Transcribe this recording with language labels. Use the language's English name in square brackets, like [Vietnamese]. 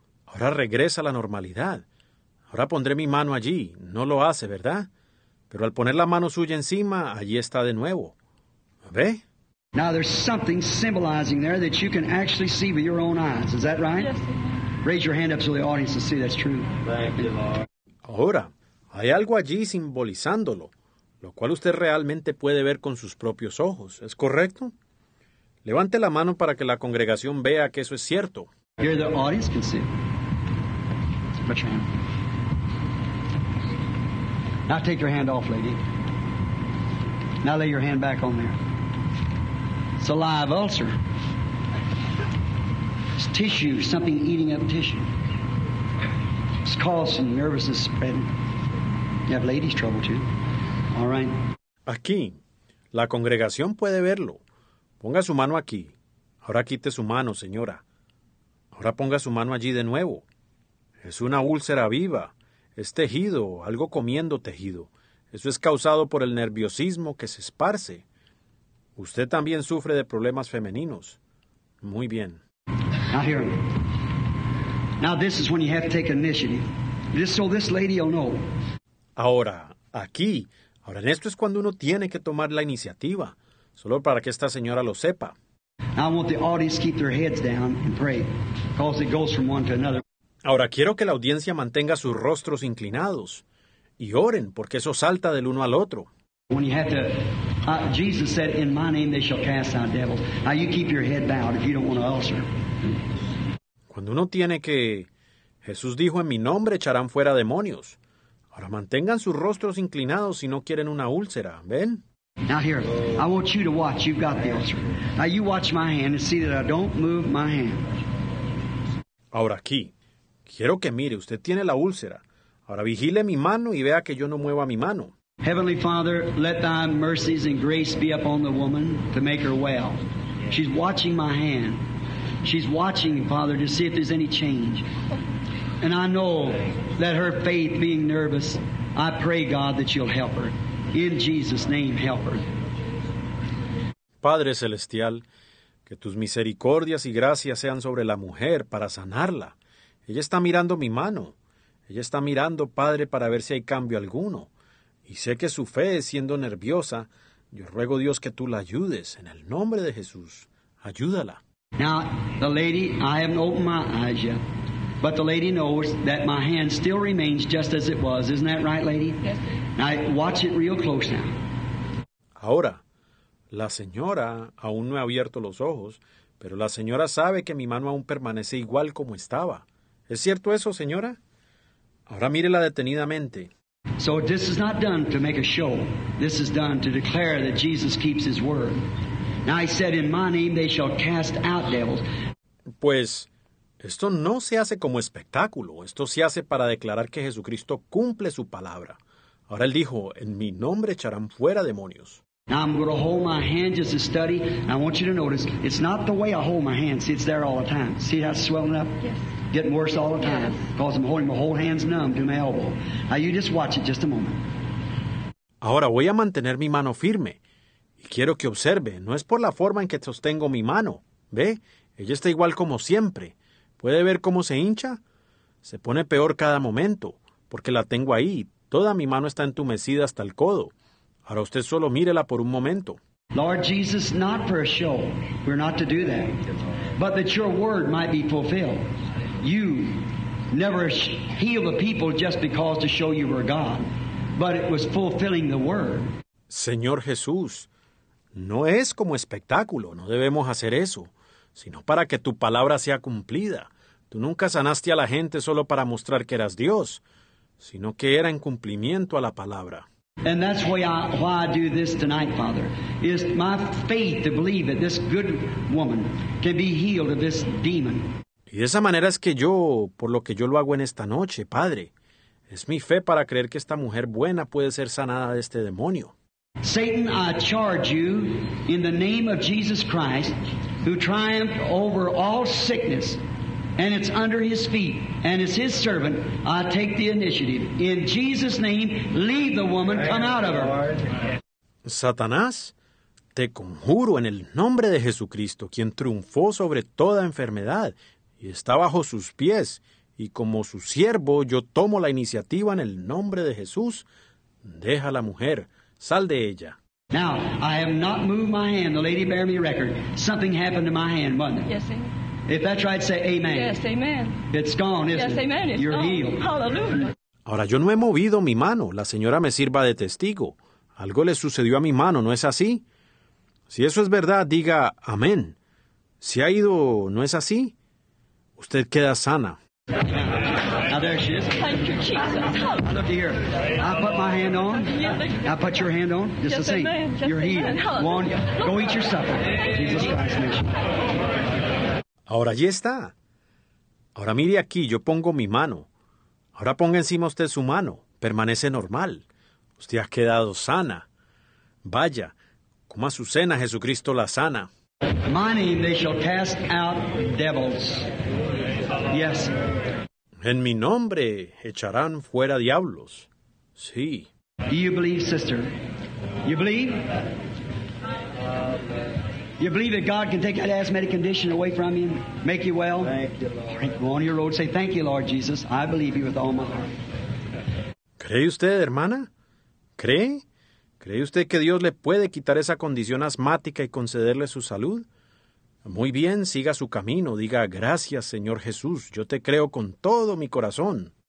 [Spanish] Ahora regresa a la normalidad. Ahora pondré mi mano allí. No lo hace, ¿verdad? Pero al poner la mano suya encima, allí está de nuevo. ¿Ve? [English] Now there's something symbolizing there that you can actually see with your own eyes. Is that right? Yes, sir. Raise your hand up so the audience can see that's true. Thank you, Lord. [Spanish] Ahora, hay algo allí simbolizándolo, lo cual usted realmente puede ver con sus propios ojos. ¿Es correcto? Levante la mano para que la congregación vea que eso es cierto. [English] Here the audience can see. Put your hand. Now take your hand off, lady. Now lay your hand back on there. It's a live ulcer. It's tissue, something eating up tissue. It's causing nervousness spreading. You have ladies' trouble too. All right. [Spanish] Aquí, la congregación puede verlo. Ponga su mano aquí. Ahora quite su mano, señora. Ahora ponga su mano allí de nuevo. Es una úlcera viva. Es tejido, algo comiendo tejido. Eso es causado por el nerviosismo que se esparce. Usted también sufre de problemas femeninos. Muy bien. [English] Now hear me. Now this is when you have to take initiative. Just so this lady will know. [Spanish] Ahora, aquí. Ahora, en esto es cuando uno tiene que tomar la iniciativa. Solo para que esta señora lo sepa. [English] I want the audience to keep their heads down and pray, because it goes from one to another. [Spanish] Ahora quiero que la audiencia mantenga sus rostros inclinados y oren, porque eso salta del uno al otro. [English] When you have to, Jesus said, "In my name they shall cast out devils." Now you keep your head bowed if you don't want an ulcer. [Spanish] Cuando uno tiene que, Jesús dijo, "En mi nombre echarán fuera demonios." Ahora mantengan sus rostros inclinados si no quieren una úlcera, ¿ven? [English] Now here, I want you to watch. You've got the ulcer. Now you watch my hand and see that I don't move my hand. [Spanish] Ahora aquí. Quiero que mire, usted tiene la úlcera. Ahora vigile mi mano y vea que yo no mueva mi mano. [English] Heavenly Father, let thy mercies and grace be upon the woman to make her well. She's watching my hand. She's watching, Father, to see if there's any change. And I know that her faith being nervous, I pray, God, that you'll help her. In Jesus' name, help her. [Spanish] Padre Celestial, que tus misericordias y gracias sean sobre la mujer para sanarla. Ella está mirando mi mano. Ella está mirando, Padre, para ver si hay cambio alguno. Y sé que su fe, siendo nerviosa, yo ruego, Dios, que tú la ayudes. En el nombre de Jesús, ayúdala. [English] Now, the lady, I haven't opened my eyes yet, but the lady knows that my hand still remains just as it was. Isn't that right, lady? Yes. Now, watch it real close now. [Spanish] Ahora, la señora aún no ha abierto los ojos, pero la señora sabe que mi mano aún permanece igual como estaba. ¿Es cierto eso, señora? Ahora mírela detenidamente. [English] So this is not done to make a show. This is done to declare that Jesus keeps his word. Now he said, in my name they shall cast out devils. [Spanish] Pues, esto no se hace como espectáculo. Esto se hace para declarar que Jesucristo cumple su palabra. Ahora él dijo, en mi nombre echarán fuera demonios. [English] Now I'm going to hold my hand just to study. I want you to notice, it's not the way I hold my hand. See, it's there all the time. See how it's swelling up? Yes. Getting worse all the time, because I'm holding my whole hand's numb to my elbow. Now you just watch it just a moment. [Spanish] Ahora voy a mantener mi mano firme. Y quiero que observe, no es por la forma en que sostengo mi mano. ¿Ve? Ella está igual como siempre. ¿Puede ver cómo se hincha? Se pone peor cada momento, porque la tengo ahí. Toda mi mano está entumecida hasta el codo. Ahora usted solo mírela por un momento. [English] Lord Jesus, not for a show. We're not to do that. But that your word might be fulfilled. You never heal the people just because to show you were God, but it was fulfilling the word. [Spanish] Señor Jesús, no es como espectáculo, no debemos hacer eso, sino para que tu palabra sea cumplida. Tú nunca sanaste a la gente solo para mostrar que eras Dios, sino que era en cumplimiento a la palabra. [English] And that's why I do this tonight, Father, is my faith to believe that this good woman can be healed of this demon. [Spanish] Y de esa manera es que yo, por lo que yo lo hago en esta noche, Padre, es mi fe para creer que esta mujer buena puede ser sanada de este demonio. [English] Satan, I charge you in the name of Jesus Christ, who triumphed over all sickness, and it's under his feet, and it's his servant, I take the initiative. In Jesus' name, leave the woman, come out of her. [Spanish] Satanás, te conjuro en el nombre de Jesucristo, quien triunfó sobre toda enfermedad, y está bajo sus pies, y como su siervo, yo tomo la iniciativa en el nombre de Jesús. Deja a la mujer, sal de ella. [English] Now, I have not moved my hand. The lady bear me record. Something happened to my hand, wasn't it? Yes, amen. If that's right, say amen. Yes, amen. It's gone, isn't yes, it? Yes, amen. It's You're gone. Healed. Hallelujah. [Spanish] Ahora, yo no he movido mi mano. La señora me sirva de testigo. Algo le sucedió a mi mano, ¿no es así? Si eso es verdad, diga amén. Si ha ido, ¿no es así? Usted queda sana. [English] Now there she is. Thank you, Jesus. Look here. I put my hand on. I put your hand on. Just yes, the same. Amen. You're healed. Go on. Go eat your supper. Jesus Christ's name. [Spanish] Ahora allí está. Ahora mire aquí, yo pongo mi mano. Ahora ponga encima usted su mano. Permanece normal. Usted ha quedado sana. Vaya, coma su cena, Jesucristo la sana. [English] My name they shall cast out devils. Yes. [Spanish] En mi nombre echarán fuera diablos. Sí. [English] Do you believe, sister? You believe? You believe that God can take that asthmatic condition away from you and make you well? Thank you, Lord. Go on your road, say, thank you, Lord Jesus. I believe you with all my heart. [Spanish] ¿Cree usted, hermana? ¿Cree? ¿Cree usted que Dios le puede quitar esa condición asmática y concederle su salud? Muy bien, siga su camino. Diga, gracias, Señor Jesús. Yo te creo con todo mi corazón.